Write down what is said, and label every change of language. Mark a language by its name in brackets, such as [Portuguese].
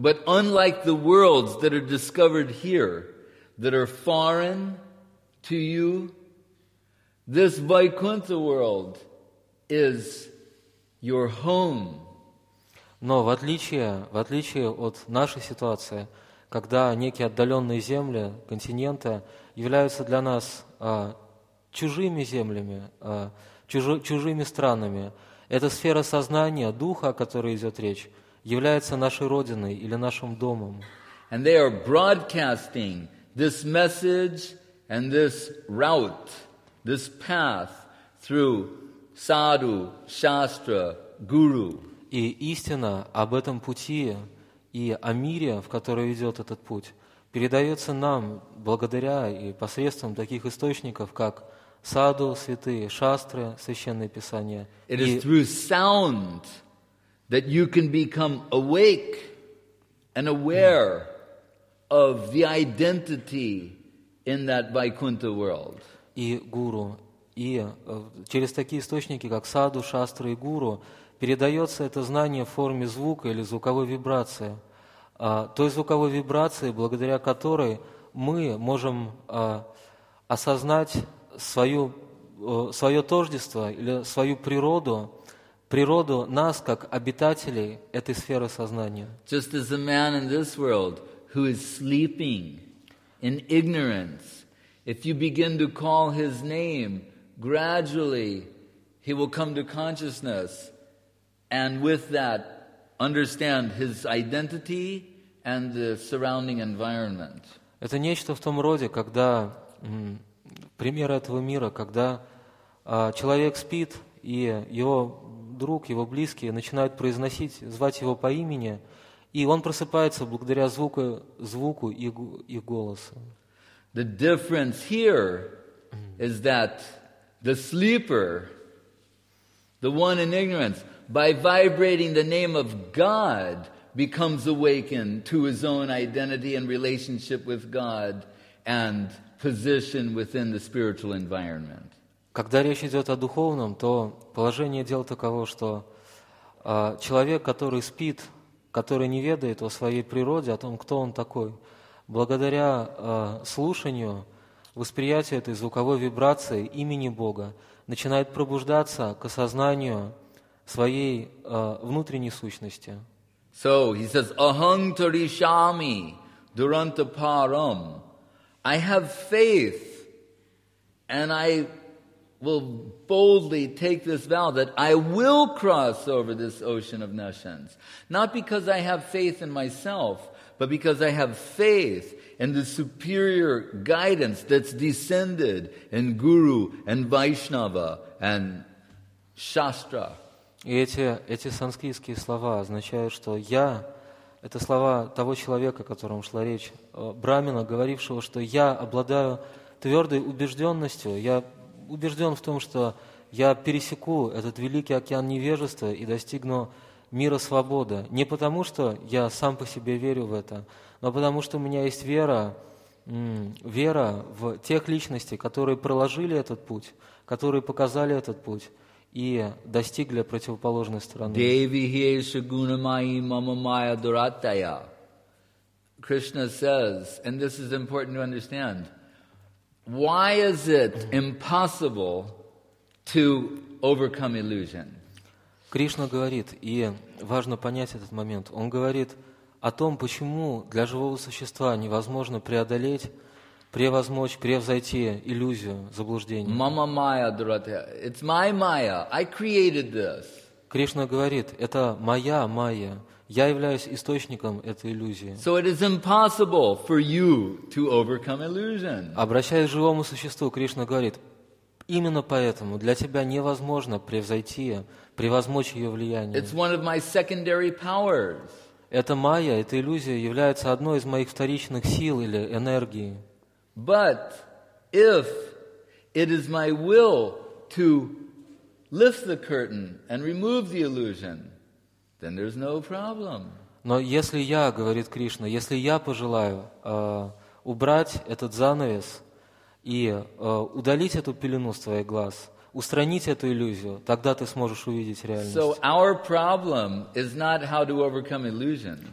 [English] But unlike the worlds that are discovered here, that are foreign to you, this Vaikuntha world is your home. [Russian] Но в отличие от нашей ситуации, когда некие отдаленные земли, континенты являются для нас чужими землями, чужими странами, эта сфера сознания, духа, о которой идет речь, является нашей родиной или нашим домом. [English] And they are broadcasting this message and this route, this path through sadhu, shastra, guru. [Russian] И истина об этом пути и о мире, в который ведет этот путь, передается нам благодаря и посредством таких источников, как саду, святые, шастры, священные писания. [English] It is through sound that you can become awake and aware of the identity in that Vaikuntha world. [Russian] И гуру, и через такие источники, как саду, шастры и гуру, передается это знание в форме звука или звуковой вибрации. Той звуковой вибрации, благодаря которой мы можем осознать свое тождество или свою природу природу нас как обитателей этой сферы сознания. [English] Just as a man in this world who is sleeping in ignorance, if you begin to call his name, gradually he will come to consciousness, and with that understand his identity and the surrounding environment. [Russian] Это нечто в том роде, когда пример этого мира, когда человек спит, и его друг, его близкие начинают произносить, звать его по имени, и он просыпается благодаря звуку и голосу. [English] The difference here is that the sleeper, the one in ignorance, by vibrating the name of God, becomes awakened to his own identity and relationship with God and position within the spiritual environment. [Russian] Когда речь идет о духовном, то положение дел таково, что человек, который спит, который не ведает о своей природе, о том, кто он такой, благодаря слушанию, восприятию этой звуковой вибрации имени Бога, начинает пробуждаться к осознанию своей внутренней сущности. [English] So he says, [Sanskrit] Ahang Tarishami Durantaparam. [English] I have faith, and I will boldly take this vow that I will cross over this ocean of nations. Not because I have faith in myself, but because I have faith in the superior guidance that's descended in Guru and Vaishnava and Shastra. [Russian] И эти санскритские слова означают, что я, это слова того человека, о котором шла речь, брамина, говорившего, что я обладаю твердой убежденностью, я убежден в том, что я пересеку этот великий океан невежества и достигну мира свободы. Не потому, что я сам по себе верю в это, но потому, что у меня есть вера в тех личностей, которые проложили этот путь, которые показали этот путь. И достигли противоположной стороны. [Sanskrit] Devi hiesha gunamai mama maya durataya. [English] Krishna says, and this is important to understand, why is it impossible to overcome illusion? [Russian] Кришна говорит, и важно понять этот момент, он говорит о том, почему для живого существа невозможно преодолеть превозмочь, превзойти иллюзию, заблуждение. [Sanskrit] Мама майя дуратая. [English] It's my майя. I created this. [Russian] Кришна говорит, это моя майя. Я являюсь источником этой иллюзии. [English] So it is impossible for you to overcome illusion. [Russian] Обращаясь к живому существу, Кришна говорит, именно поэтому для тебя невозможно превзойти, превозмочь ее влияние. [English] It's one of my secondary powers. [Russian] Эта майя, эта иллюзия является одной из моих вторичных сил или энергии. [English] But if it is my will to lift the curtain and remove the illusion, then there's no problem. [Russian] Но если я, говорит Кришна, если я пожелаю убрать этот занавес и удалить эту пелену с твоих глаз, устранить эту иллюзию, тогда ты сможешь увидеть реальность. [English] So our problem is not how to overcome illusion.